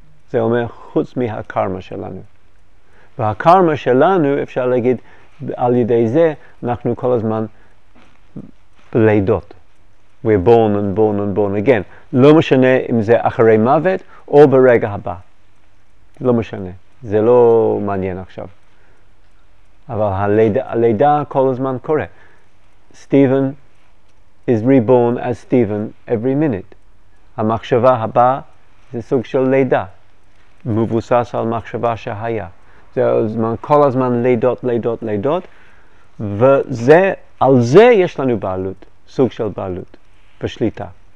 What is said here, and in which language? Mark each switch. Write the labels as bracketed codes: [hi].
[he] זה אומר חוץ מהקרמה שלנו. והקרמה שלנו, אפשר להגיד, על ידי זה, אנחנו כל הזמן בלידות. [en] We're born and born and born again. [he] לא משנה אם זה אחרי מוות או ברגע הבא. לא משנה. זה לא מעניין עכשיו. אבל הלידה כל הזמן קורה. [en] Stephen is reborn as Stephen every minute. [he] המחשבה הבאה זה סוג של לידה. מבוסס על מחשבה שהיה. זה הזמן, כל הזמן לידות, לידות, לידות. ועל זה יש לנו בעלות, סוג של בעלות, בשליטה.